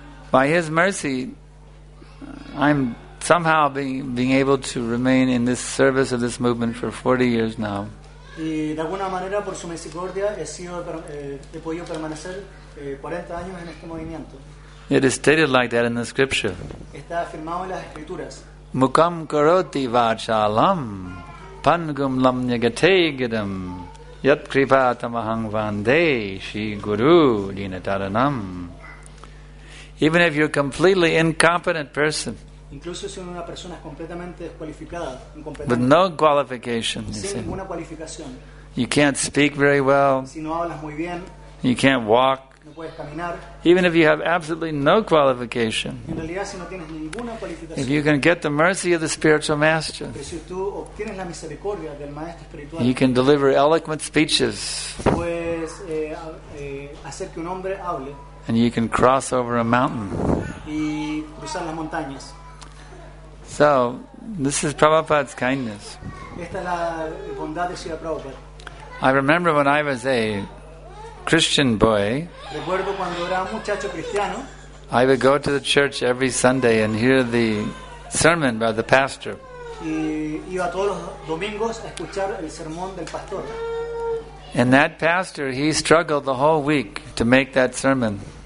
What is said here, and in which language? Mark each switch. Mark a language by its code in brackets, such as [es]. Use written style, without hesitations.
[en] By His mercy, I'm somehow being able to remain in this service of this movement for 40 years now. [es] Y de alguna manera, por su misericordia, he podido permanecer 40 años en este movimiento. [en] It is stated like that in the scripture. [es] Está afirmado en las escrituras. [sa] Mukam karoti vachalam pangum lam nyagate gidam yat kripa tamahang vande shi guru dinataranam. [en] Even if you're a completely incompetent person, [es] incluso si una persona es completamente descualificada, incompetente, [en] with no qualification, [es] sin ninguna cualificación, [en] you can't speak very well, [es] si no hablas muy bien, [en] you can't walk, [es] no puedes caminar, [en] even if you have absolutely no qualification, [es] en realidad, si no tienes ninguna cualificación, [en] if you can get the mercy of the spiritual master, [es] pero si tú obtienes la misericordia del maestro espiritual, [en] you can deliver eloquent speeches, [es] pues, hacer que un hombre hable. [en] And you can cross over a mountain. [es] Y cruzar las montañas. [en] So, this is Prabhupada's kindness. [es] Esta es la bondad de Srila Prabhupada. [en] I remember when I was a Christian boy, [es] recuerdo cuando era muchacho cristiano, [en] I would go to the church every Sunday and hear the sermon by the pastor. [es] Y iba todos los domingos a escuchar el sermón del pastor. [en] And that pastor, he struggled the whole week to make that sermon.